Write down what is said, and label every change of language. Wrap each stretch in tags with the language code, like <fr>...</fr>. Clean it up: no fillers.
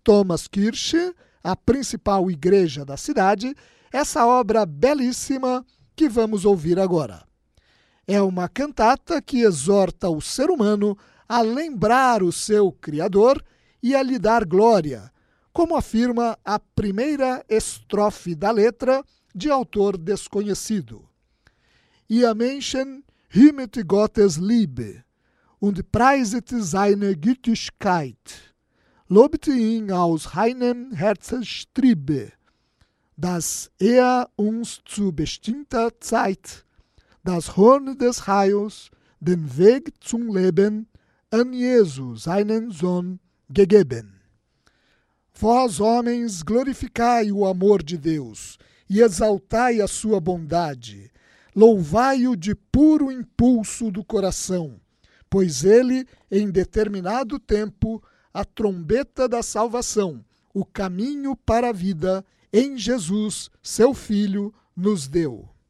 <pt>Thomas Kirche, a principal igreja da cidade, essa obra belíssima que vamos ouvir agora. É uma cantata que exorta o ser humano a lembrar o seu Criador e a lhe dar glória, como afirma a primeira estrofe da letra de autor desconhecido.</pt> <de>Ihr Menschen rühmet Gottes Liebe und preiset seine Gütigkeit, lobt ihn aus reinem Herzenstriebe, dass uns zu bestimmter Zeit das Horn des Heils den Weg zum Leben an Jesus, seinen Sohn, gegeben.</de> <pt>Vós, homens, glorificai o amor de Deus e exaltai a sua bondade. Louvai-o de puro impulso do coração, pois ele, em determinado tempo, a trombeta da salvação, o caminho para a vida, em Jesus, seu Filho, nos deu.</pt>